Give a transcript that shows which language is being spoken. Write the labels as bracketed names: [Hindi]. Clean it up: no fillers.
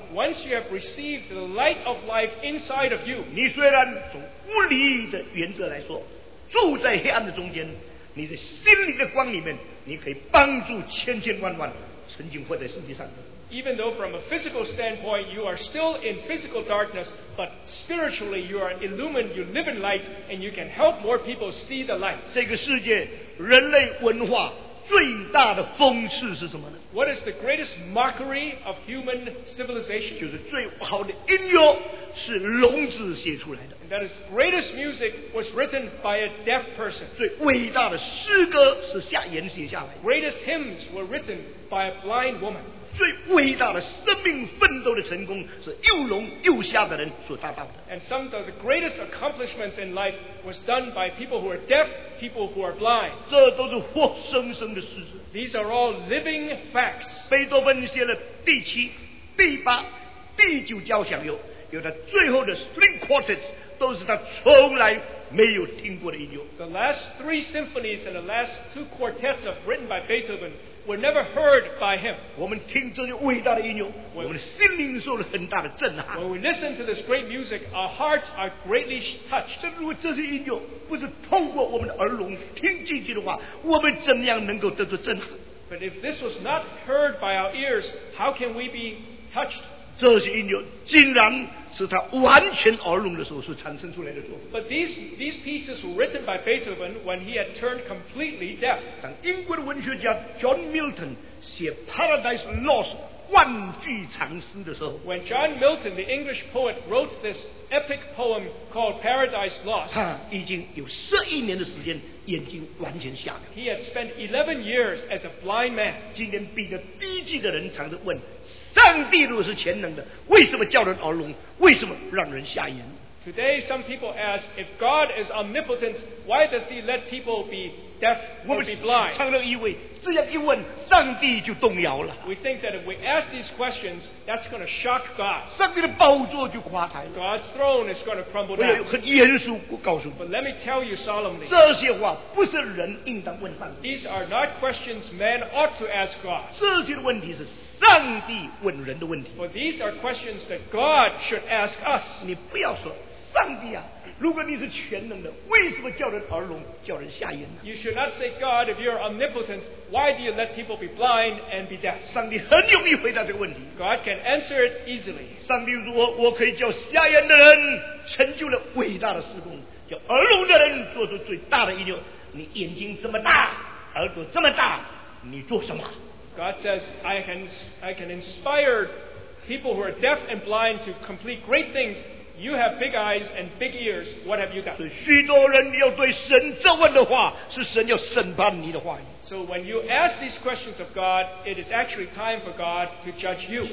[English] Once you have received the light of life inside of you, [Chinese] 你虽然从物理的原则来说，住在黑暗的中间，你的心灵的光里面，你可以帮助千千万万曾经活在世界上的。 [English] even though from a physical standpoint you are still in physical darkness, but spiritually you are illumined, you live in light, and you can help more people see the light. [Chinese] 这个世界人类文化最大的讽刺是什么呢？ [English] What is the greatest mockery of human civilization? [Chinese] 就是最好的音乐是聋子写出来的。 [English] And that is greatest music was written by a deaf person. [Chinese] 最伟大的诗歌是瞎眼写下来的。 [English] Greatest hymns were written by a blind woman. [Chinese] 最伟大的生命奋斗的成功是又聋又瞎的人所达到的。 [English] And some of the greatest accomplishments in life was done by people who are deaf, people who are blind. [Chinese] 这都是活生生的事实。 [English] These are all living facts. [Chinese] 贝多芬写了第七、第八、第九交响乐。有的最后的 string quartets 都是他从来没有听过的音乐。 [English] The last three symphonies and the last two quartets of written by Beethoven were never heard by him. [Chinese] 我们听这些伟大的音乐， 我们的心灵受了很大的震撼。 [English] When we listen to this great music, our hearts are greatly touched. [Chinese] 如果这些音乐不是透过我们的耳聋听进去的话，我们怎么样能够得到震撼？ [English] But if this was not heard by our ears, how can we be touched? [Chinese] 这些音乐竟然是他完全耳聋的时候所产生出来的作品。 [English] But these pieces were written by Beethoven when he had turned completely deaf. [Chinese] 当英国的文学家 John Milton 写 Paradise Lost 万句长诗的时候， [English] When John Milton, the English poet, wrote this epic poem called Paradise Lost, [Chinese] 他已经有十一年的时间眼睛完全瞎了。 [English] He had spent 11 years as a blind man. [Chinese] 今天比着低级的人常常问。上帝如果是全能的，为什么叫人耳聋？为什么让人瞎眼 [English] ？Today, some people ask, if God is omnipotent, why does He let people be deaf or be blind? [Chinese] 常常以为这样一问，上帝就动摇了。 [English] We think that if we ask these questions, that's going to shock God. [Chinese] 上帝的宝座就垮台了。 [English] God's throne is going to crumble down. [Chinese] 我有很严肃，我告诉你。 [English] But let me tell you solemnly, [Chinese] 这些话不是人应当问上帝。 [English] These are not questions men ought to ask God. [Chinese] 这些的问题是。上帝问人的问题。 [English] For these are questions that God should ask us. [Chinese] 你不要说，上帝啊，如果你是全能的，为什么叫人耳聋，叫人瞎眼呢？ [English] You should not say, God, if you're omnipotent, why do you let people be blind and be deaf? [Chinese] 上帝很容易回答这个问题。 [English] God can answer it easily. [Chinese] 上帝说，我可以叫瞎眼的人成就了伟大的事工，叫耳聋的人做出最大的音乐。你眼睛这么大，耳朵这么大，你做什么？ [English] God says, I can inspire people who are deaf and blind to complete great things. You have big eyes and big ears. What have you done? [Chinese] 许多人要对神这问的话，是神要审判你的话语。 [English] So when you ask these questions of God, it is actually time for God to judge you.